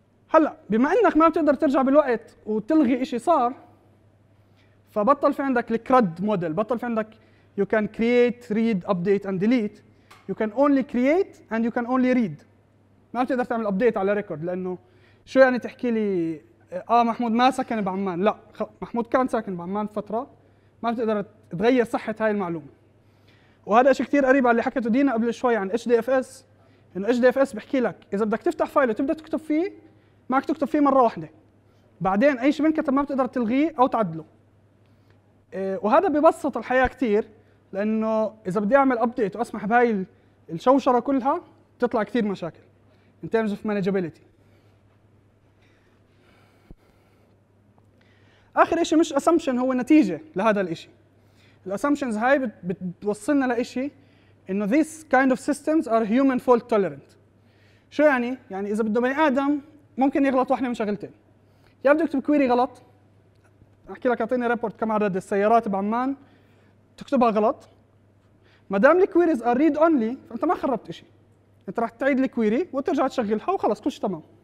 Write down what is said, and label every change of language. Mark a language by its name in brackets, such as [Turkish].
[Arabic] هلا بما انك ما بتقدر ترجع بالوقت وتلغي اشي صار فبطل في عندك الكرد موديل، بطل في عندك [English] you can create read update and delete. You can only create and you can only read. [Arabic] ما بتقدر تعمل update على ريكورد لانه شو يعني تحكي لي محمود ما سكن بعمان، لا محمود كان ساكن بعمان فتره، ما بتقدر تغير صحه هاي المعلومه. وهذا اشي كثير قريب على اللي حكته دينا قبل شوي عن HDFS، انه HDFS بحكي لك اذا بدك تفتح فايل وتبدا تكتب فيه معك تكتب فيه مرة واحدة، بعدين أي شيء بنكتب ما بتقدر تلغيه أو تعدله. وهذا ببسط الحياة كتير لأنه إذا بدي أعمل أبديت وأسمح بهاي الشوشرة كلها تطلع كتير مشاكل [English] in terms of manageability. [Arabic] آخر إشي مش assumption هو نتيجة لهذا الإشي. الأسامشنز هاي بتوصلنا لإشي إنه [English] these kind of systems are human fault tolerant. [Arabic] شو يعني؟ يعني إذا بده بني آدم ممكن يغلط واحدة من شغلتين، يا بده يكتب كويري غلط احكي لك اعطيني ريبورت كم عدد السيارات بعمان تكتبها غلط، ما دام الكويريز ار ريد اونلي فانت ما خربت شيء، انت راح تعيد الكويري وترجع تشغلها وخلص كل شيء تمام.